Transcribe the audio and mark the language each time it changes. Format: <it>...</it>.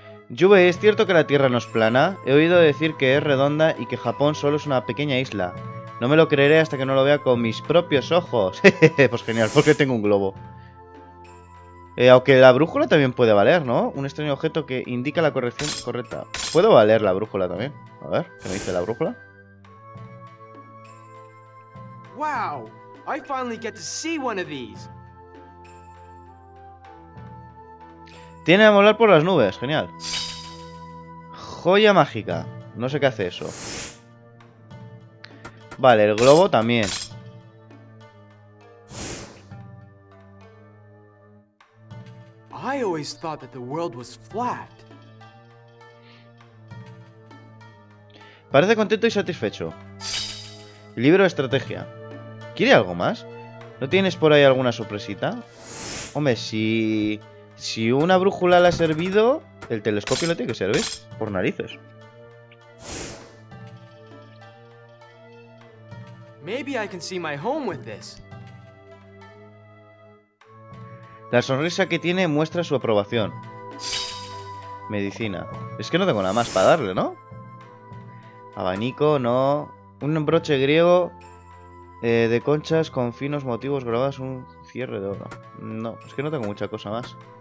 <es>Yube, ¿es cierto que la Tierra no es plana? He oído decir que es redonda y que Japón solo es una pequeña isla. No me lo creeré hasta que no lo vea con mis propios ojos. Pues genial, porque tengo un globo. Aunque la brújula también puede valer, ¿no? Un extraño objeto que indica la corrección correcta. ¿Puedo valer la brújula también? A ver, ¿qué me dice la brújula?</es> <en>Wow, I finally get to see one of these.</en> <es>Tiene a volar por las nubes, genial. Joya mágica. No sé qué hace eso. Vale, el globo también.</es> <en>I always thought that the world was flat.</en> <es>Parece contento y satisfecho. Libro de estrategia. ¿Quiere algo más? ¿No tienes por ahí alguna sorpresita? Hombre, si una brújula le ha servido, el telescopio le tiene que servir. Por narices.</es> <en>Maybe I can see my home with this.</en> <es>La sonrisa que tiene muestra su aprobación. Medicina. Es que no tengo nada más para darle, ¿no? Abanico, no. Un broche griego de conchas con finos motivos grabados. Un cierre de oro. No, es que no tengo mucha cosa más.</es>